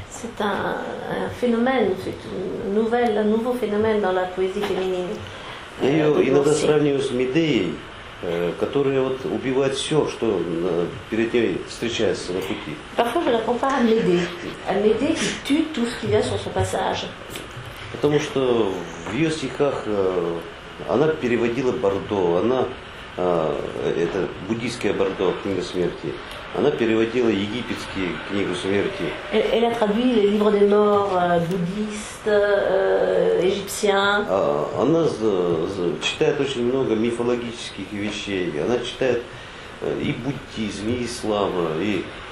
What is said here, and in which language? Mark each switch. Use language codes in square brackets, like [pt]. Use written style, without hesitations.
[fr] C'est un phénomène, c'est une nouvelle, un nouveau phénomène dans la poésie féminine. [ru] Я ее иногда сравниваю с Медеей, которая вот убивает все, что перед ней встречается на пути. [fr] Parfois je la compare à Médée. À Médée qui tue tout ce qui vient sur son passage. [ru] Потому что в ее стихах она переводила Бордо, она, это буддийское Бордо, книга смерти, она переводила египетские книгу смерти. [fr] Elle a traduit les livres des morts bouddhistes, égyptiens. [ru] Она читает очень много мифологических вещей, она читает и буддизм, и ислам, и...